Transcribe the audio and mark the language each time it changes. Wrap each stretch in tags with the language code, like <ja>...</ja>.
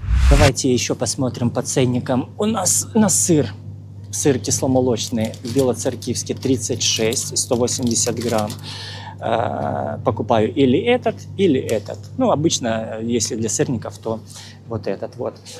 <ru>Давайте ще посмотрим по ценникам.</ru> <uk>У нас на сир. Сир кисломолочний, білоцерківський, 36, 180 грамм.</uk> <ru>Покупаю или этот, или этот. Ну, обычно, если для сырников, то вот этот вот.</ru>